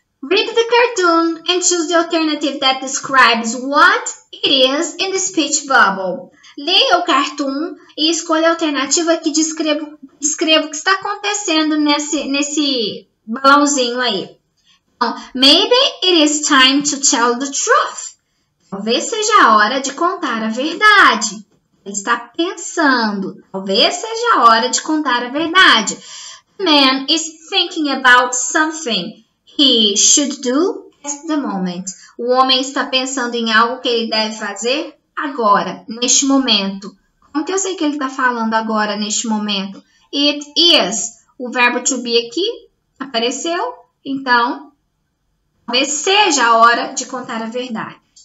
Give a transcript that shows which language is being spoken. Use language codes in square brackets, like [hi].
[en] Read the cartoon and choose the alternative that describes what it is in the speech bubble. [pt] Leia o cartoon e escolha a alternativa que descreva o que está acontecendo nesse balãozinho aí. [en] Maybe it is time to tell the truth. [pt] Talvez seja a hora de contar a verdade. Ele está pensando. Talvez seja a hora de contar a verdade. [en] The man is thinking about something he should do at the moment. [pt] O homem está pensando em algo que ele deve fazer agora, neste momento. Como que eu sei que ele está falando agora, neste momento? [en] It is. [pt] O verbo to be aqui apareceu. Então, talvez seja a hora de contar a verdade.